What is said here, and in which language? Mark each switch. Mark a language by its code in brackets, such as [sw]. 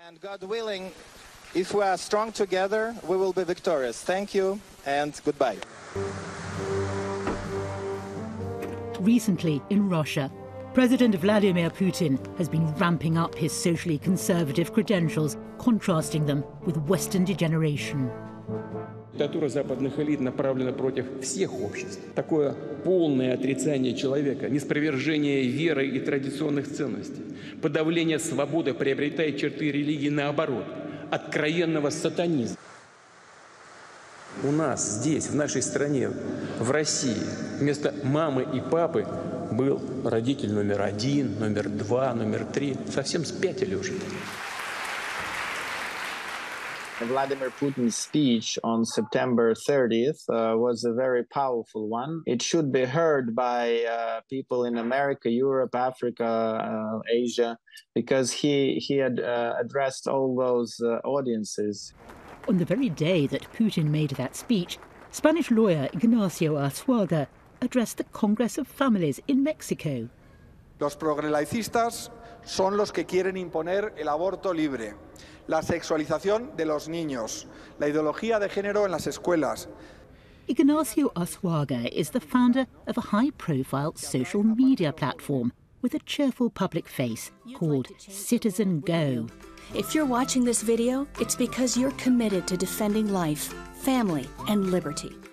[en] And God willing, if we are strong together, we will be victorious. Thank you and goodbye. Recently in Russia, President Vladimir Putin has been ramping up his socially conservative credentials, contrasting them with Western degeneration. [ru] Диктатура западных элит направлена против всех обществ. Такое полное отрицание человека, неспровержение веры и традиционных ценностей, подавление свободы приобретает черты религии наоборот, откровенного сатанизма. У нас здесь, в нашей стране, в России, вместо мамы и папы был родитель номер один, номер два, номер три. Совсем спятили уже. [en] Vladimir Putin's speech on September 30th was a very powerful one. It should be heard by people in America, Europe, Africa, Asia, because he had addressed all those audiences. On the very day that Putin made that speech, Spanish lawyer Ignacio Arzuaga addressed the Congress of Families in Mexico. [es] Los progrelaicistas son los que quieren imponer el aborto libre, la sexualización de los niños, la ideología de género en las escuelas. [en] Ignacio Arzuaga is the founder of a high-profile social media platform with a cheerful public face called Citizen Go. If you're watching this video, it's because you're committed to defending life, family, and liberty.